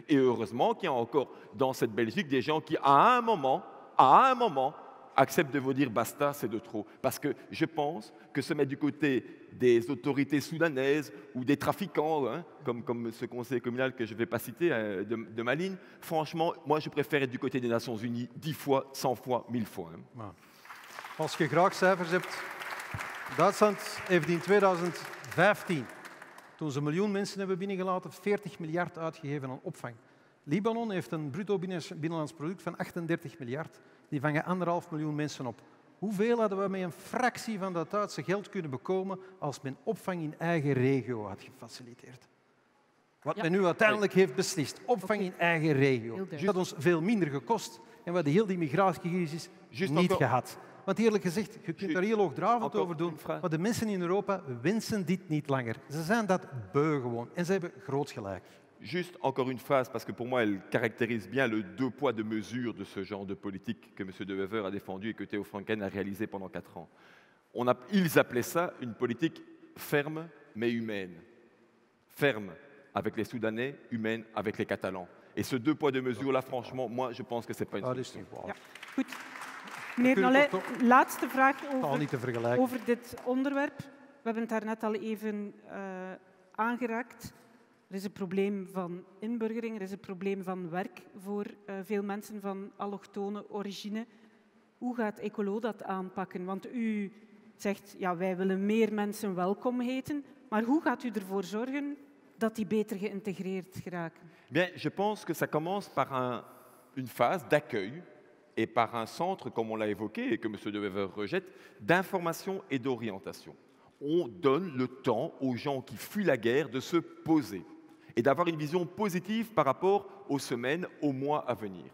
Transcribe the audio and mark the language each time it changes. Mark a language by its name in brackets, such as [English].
[French] Et heureusement qu'il y a encore dans cette Belgique des gens qui, à un moment, acceptent de vous dire basta, c'est de trop. Parce que je pense que se mettre du côté des autorités soudanaises ou des trafiquants, comme ce conseil communal que je ne vais pas citer, de Malines, franchement, moi, je préfère être du côté des Nations Unies 10 fois, 100 fois, 1000 fois. [Dutch] Als je graag cijfers hebt, Duitsland heeft in 2015, toen ze 1 miljoen mensen hebben binnengelaten, 40 miljard uitgegeven aan opvang. Libanon heeft een bruto binnenlands product van 38 miljard. Die vangen 1,5 miljoen mensen op. Hoeveel hadden we met een fractie van dat Duitse geld kunnen bekomen als men opvang in eigen regio had gefaciliteerd? Wat men nu uiteindelijk heeft beslist, opvang in eigen regio. Dat had ons veel minder gekost en we hadden heel die migratiecrisis niet gehad. Want eerlijk gezegd, je kunt daar heel hoogdravend over doen, maar de mensen in Europa wensen dit niet langer. Ze zijn dat beu gewoon en ze hebben groot gelijk. [French] Juste encore une phrase, parce que pour moi, elle caractérise bien le deux poids deux mesures de ce genre de politique que M. De Wever a défendu et que Théo Franken a réalisé pendant 4 ans. Ils appelaient ça une politique ferme mais humaine. Ferme avec les Soudanais, humaine avec les Catalans. Et ce deux poids deux mesures-là, franchement, moi, je pense que ce n'est pas une solution. [Dutch] Meneer Nollet, laatste vraag over dit onderwerp. We hebben het daarnet al even aangeraakt. Er is een probleem van inburgering, er is een probleem van werk voor veel mensen van allochtone origine. Hoe gaat Ecolo dat aanpakken? Want u zegt, ja, wij willen meer mensen welkom heten. Maar hoe gaat u ervoor zorgen dat die beter geïntegreerd geraken? [French] Bien, je pense que ça commence par une phase d'accueil. Et par un centre, comme on l'a évoqué et que M. De Wever rejette, d'information et d'orientation. On donne le temps aux gens qui fuient la guerre de se poser et d'avoir une vision positive par rapport aux semaines, aux mois à venir.